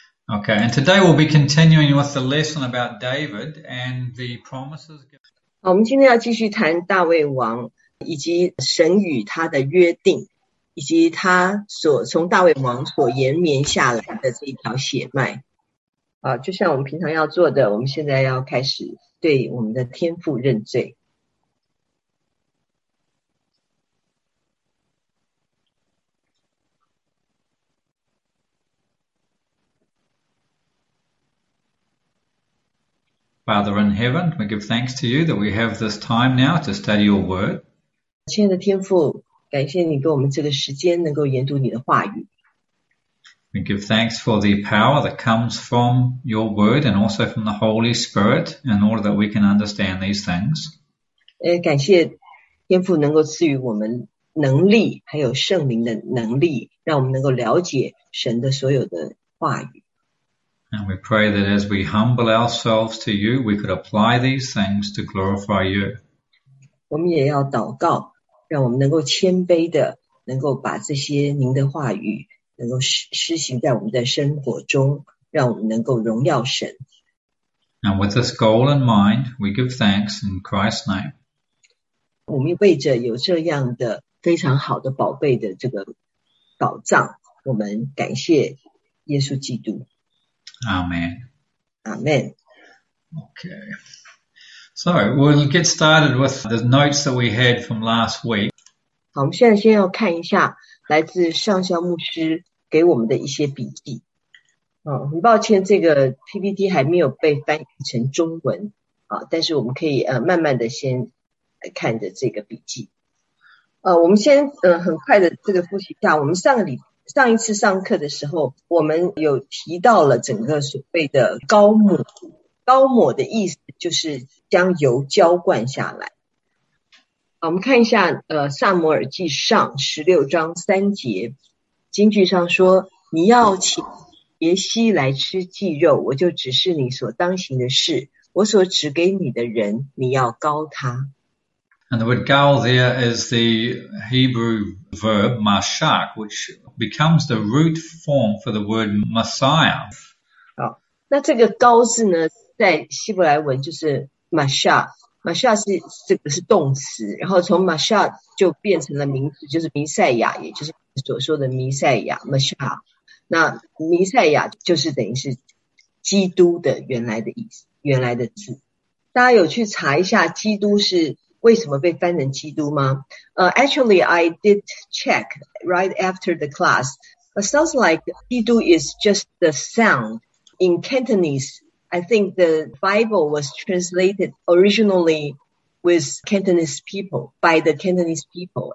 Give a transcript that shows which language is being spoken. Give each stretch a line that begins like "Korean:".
English: Okay, and today we'll be continuing with the lesson about David and the promises.
Chinese: 好，我们今天要继续谈大卫王以及神与他的约定，以及他所从大卫王所延绵下来的这一条血脉。啊，就像我们平常要做的，我们现在要开始对我们的天父认罪。
English: Father in heaven, we give thanks to you that we have this time now to study your word.
Chinese: 亲爱的天父，感谢你给我们这个时间能够研读你的话语。
English: We give thanks for the power that comes from your word and also from the Holy Spirit in order that we can understand these things.
Chinese: 感谢天父能够赐予我们能力，还有圣灵的能力，让我们能够了解神的所有的话语。
English: And we pray that as we humble ourselves to you, we could apply these things to glorify you.
Chinese: 我们也要祷告，让我们能够谦卑的，能够把这些您的话语能够施行在我们的生活中，让我们能够荣耀神。
English: And with this goal in mind, we give thanks in Christ's name.
Chinese: 我们为着有这样的非常好的宝贝的这个宝藏，我们感谢耶稣基督。
English: Amen. Amen. Okay. So we'll get started with the notes that we had from last week.
Chinese: 好，我们现在先要看一下来自上校牧师给我们的一些笔记。哦，很抱歉，这个 PPT 还没有被翻译成中文啊，但是我们可以慢慢的先看着这个笔记。我们先很快的这个复习一下，我们上一次上课的时候，我们有提到了整个所谓的膏抹，膏抹的意思就是将油浇灌下来。好，我们看一下撒母耳记上16:3，经句上说，你要请耶西来吃祭肉，我就指示你所当行的事，我所指给你的人，你要膏他。
English: And the word gal there is the Hebrew verb mashak, which becomes the root form for the word Messiah.
Chinese: 好，那这个膏字呢，在希伯来文就是 mashak，mashak 是这个是动词，然后从 mashak 就变成了名词，就是弥赛亚，也就是所说的弥赛亚 mashak。那弥赛亚就是等于是基督的原来的意思，原来的字。大家有去查一下，基督是。为什么被翻成基督吗？
English: Actually, I did check right after the class. It sounds like 基督 is just the sound in Cantonese. I think the Bible was translated originally with Cantonese people, by the Cantonese people.